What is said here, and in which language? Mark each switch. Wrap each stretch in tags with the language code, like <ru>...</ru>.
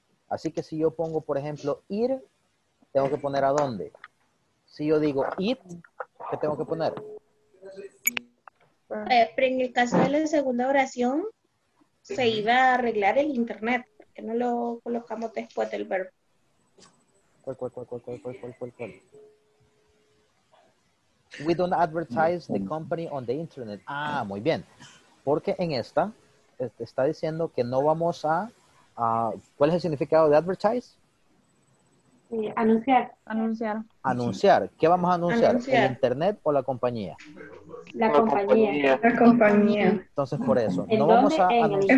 <es>Así que si yo pongo, por ejemplo, ir, tengo que poner ¿a dónde? Si yo digo eat, ¿qué tengo que poner? Pero en el caso de la segunda oración, se iba a arreglar el internet, porque no lo colocamos después del verbo. ¿Cuál?</es> <en>We don't advertise the company on the internet.</en> <es>Ah, muy bien. Porque en esta, está diciendo que no vamos a... ¿cuál es el significado de advertise? Anunciar. Anunciar. ¿Qué vamos a anunciar? ¿El internet o la compañía? La compañía. Entonces, por eso. No vamos a anunciar.</es>